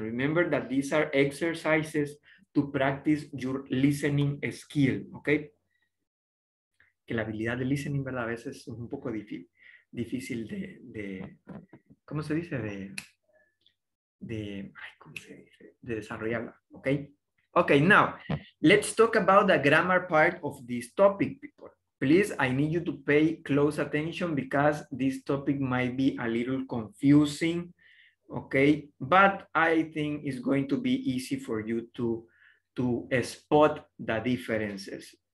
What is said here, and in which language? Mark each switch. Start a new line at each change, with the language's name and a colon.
English: Remember that these are exercises to practice your listening skill, ¿ok?
Spanish: que la habilidad de listening, ¿verdad? A veces es un poco difícil de ¿cómo se dice? De desarrollarla, ¿ok?
English: Ok, now, let's talk about the grammar part of this topic, people. Please, I need you to pay close attention because this topic might be a little confusing, okay? But I think it's going to be easy for you to spot the differences.